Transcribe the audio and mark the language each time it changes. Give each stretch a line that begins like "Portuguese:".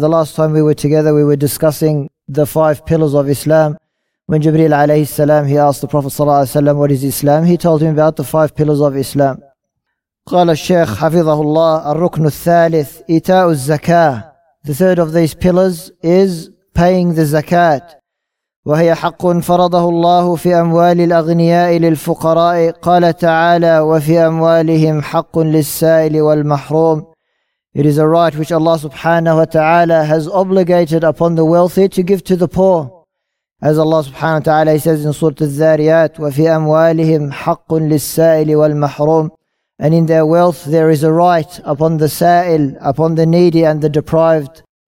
English: And the last time we were together, we were discussing the five pillars of Islam. When Jibreel alayhi salam, he asked the Prophet sallallahu alayhi wa sallam, what is Islam? He told him about the five pillars of Islam.
Arabic: قال الشيخ حفظه الله الركن الثالث إيتاء الزكاة.
English: The third of these pillars is paying the zakat.
Arabic: وهي حق فرضه الله في أموال الأغنياء للفقراء. قال تعالى وفي أموالهم حق للسائل والمحروم.
English: It is a right which Allah subhanahu wa ta'ala has obligated upon the wealthy to give to the poor. As Allah subhanahu wa ta'ala says in Surah Al-Zariyat,
Arabic: وفي أموالهم حق للسائل والمحروم.
English: And in their wealth there is a right upon the sa'il, upon the needy and the deprived.